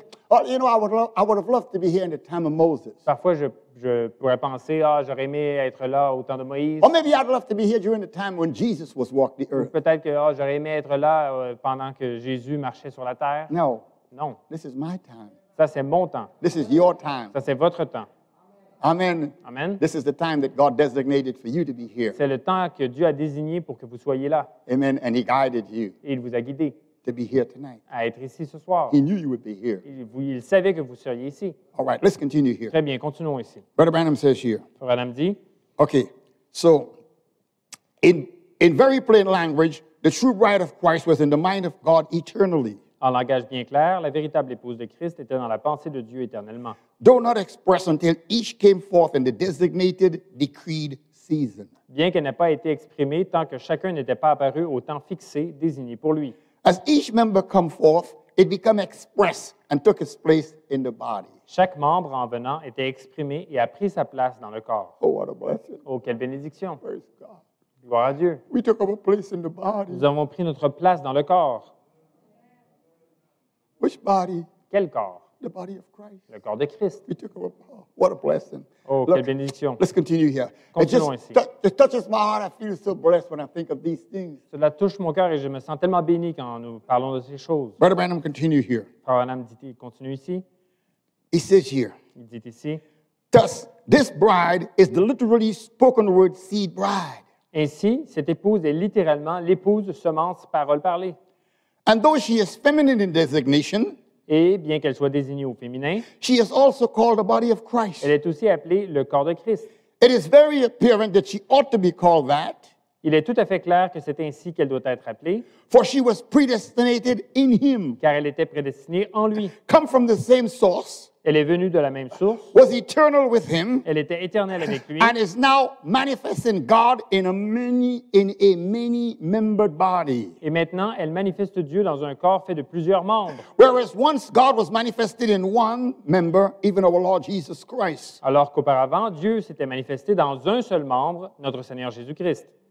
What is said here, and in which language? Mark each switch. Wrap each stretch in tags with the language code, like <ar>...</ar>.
<en>I would have loved to be here in the time of Moses.</en> <fr>Parfois je pourrais penser j'aurais aimé être là au temps de Moïse.</fr> <en>Or maybe I'd love to be here during the time when Jesus was walking the earth.</en> <fr>Ou peut-être que j'aurais aimé être là pendant que Jésus marchait sur la terre.</fr> <en>No.</en> <fr>Non.</fr> <en>This is my time.</en> <fr>Ça, c'est mon temps.</fr> <en>This is your time.</en> <fr>Ça, c'est votre temps.</fr> <en>Amen.</en> <fr>Amen.</fr> <en>This is the time that God designated for you to be here.</en> <fr>C'est le temps que Dieu a désigné pour que vous soyez là.</fr> <en>Amen. And he guided you.</en> <fr>Et il vous a guidé.</fr> <en>To be here tonight.</en> <fr>À être ici ce soir.</fr> <en>He knew you would be here.</en> <fr>Il savait que vous seriez ici.</fr> <en>All right, let's continue here.</en> <fr>Très bien, continuons ici.</fr> <en>Brother Branham says here.</en> <fr>Frère Branham dit.</fr> <en>Okay, so in very plain language, the true bride of Christ was in the mind of God eternally.</en> <fr>En langage bien clair, la véritable épouse de Christ était dans la pensée de Dieu éternellement.</fr> <en>Though not expressed until each came forth in the designated decreed season.</en> <fr>Bien qu'elle n'ait pas été exprimée tant que chacun n'était pas apparu au temps fixé désigné pour lui.</fr> <en>As each member come forth, it became expressed and took its place in the body.</en> <fr>Chaque membre en venant était exprimé et a pris sa place dans le corps.</fr> <en>Oh, what a blessing.</en> <fr>Oh, quelle bénédiction.</fr> <en>Praise God.</en> <fr>Gloire à Dieu.</fr> <en>We took our place in the body.</en> <fr>Nous avons pris notre place dans le corps.</fr> <en>Which body?</en> <fr>Quel corps?</fr> <en>The body of Christ.</en> <fr>Le corps de Christ.</fr> <en>We took over. What a blessing. Oh, look,</en> <fr>quelle bénédiction.</fr> <en>Let's continue here.</en> <fr>Continuons ici.</fr> <en>It touches my heart. I feel so blessed when I think of these things.</en> <fr>Cela touche mon cœur et je me sens tellement béni quand nous parlons de ces choses.</fr> <en>Brother Branham, continue here.</en> <fr>Frère Branham dit, continue ici.</fr> <en>He says here.</en> <fr>Il dit ici.</fr> <en>Thus, this bride is the literally spoken word seed bride.</en> <fr>Ainsi, cette épouse est littéralement l'épouse semence parole parlée.</fr> <en>And though she is feminine in designation,</en> <fr>et bien qu'elle soit désignée au féminin,</fr> <en>she is also called the body of Christ.</en> <fr>Elle est aussi appelée le corps de Christ.</fr> <en>It is very apparent that she ought to be called that.</en> <fr>Il est tout à fait clair que c'est ainsi qu'elle doit être appelée.</fr> <en>For she was predestinated in him.</en> <fr>Car elle était prédestinée en lui.</fr> <en>Come from the same source.</en> <fr>Elle est venue de la même source.</fr> <en>Was eternal with him.</en> <fr>Elle était éternelle avec lui.</fr> <en>And is now manifesting God in a many-membered body.</en> <fr>Et maintenant, elle manifeste Dieu dans un corps fait de plusieurs membres.</fr> <en>Whereas once God was manifested in one member, even our Lord Jesus Christ.</en> <fr>Alors qu'auparavant, Dieu s'était manifesté dans un seul membre, notre Seigneur Jésus-Christ.</fr>